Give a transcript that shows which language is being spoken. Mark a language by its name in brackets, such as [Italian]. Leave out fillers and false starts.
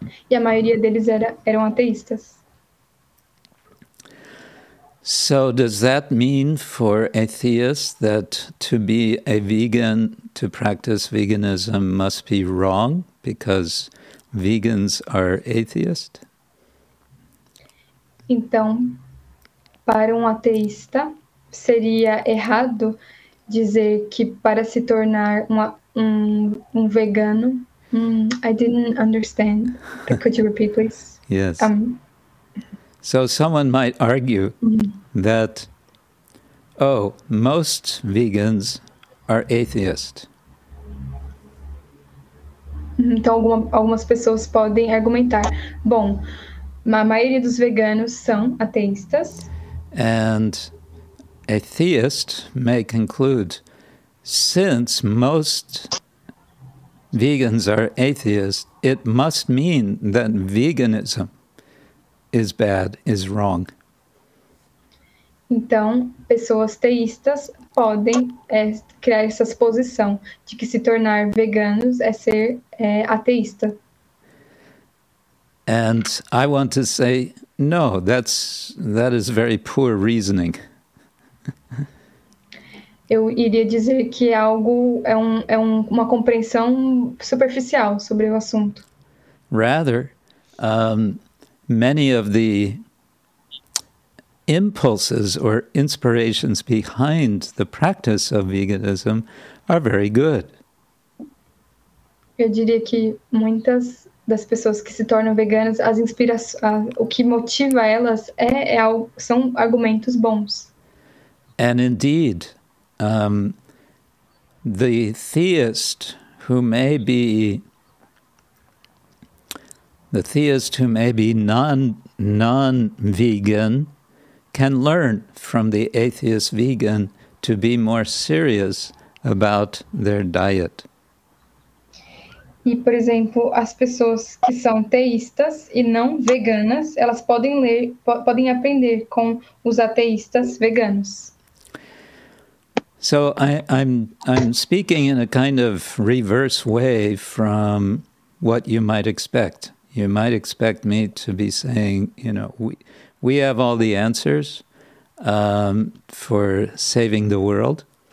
[Portuguese] E a maioria deles eram ateístas. [English] So does that mean for atheists that to be a vegan, to practice veganism, must be wrong because vegans are atheists? [Portuguese] Então, para ateísta, seria errado dizer que para se tornar um vegano... [English] I didn't understand. Could you repeat, please? Yes. So someone might argue that, most vegans are atheists. [Portuguese] Então, algumas pessoas podem argumentar. Bom, a maioria dos veganos são ateístas. [English] And a theist may conclude, since most vegans are atheists, it must mean that veganism is bad, is wrong. [Portuguese] Então, pessoas teístas podem criar essa suposição de que se tornar veganos é ser ateísta. [English] And I want to say, no, that is very poor reasoning. [Portuguese] Eu iria dizer que algo uma compreensão superficial sobre o assunto. [English] Rather, many of the impulses or inspirations behind the practice of veganism are very good. [Portuguese] Eu diria que muitas das pessoas que se tornam veganas, o que motiva elas são argumentos bons. [English] And indeed, the theist who may be non-vegan can learn from the atheist vegan to be more serious about their diet. [Portuguese] E, por exemplo, as pessoas que são teístas e não veganas, elas podem aprender com os ateístas veganos. [English] So I'm speaking in a kind of reverse way from what you might expect. You might expect me to be saying, we have all the answers for saving the world.